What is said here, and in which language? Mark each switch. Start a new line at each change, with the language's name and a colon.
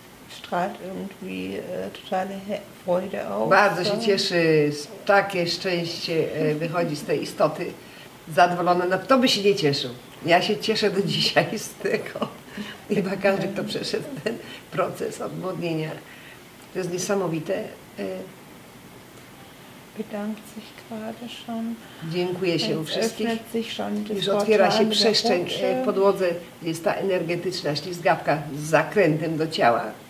German: Strahlt irgendwie totale Freude auf.
Polish: Bardzo się cieszy, takie szczęście wychodzi z tej istoty. Zadowolona, no kto by się nie cieszył. Ja się cieszę do dzisiaj z tego. Chyba każdy, kto przeszedł ten proces odmłodnienia. To jest niesamowite.
German: Bedankt sich gerade schon.
Polish: Dziękuję się u wszystkich. Już otwiera się przestrzeń w podłodze. Jest ta energetyczna ślizgawka z zakrętem do ciała.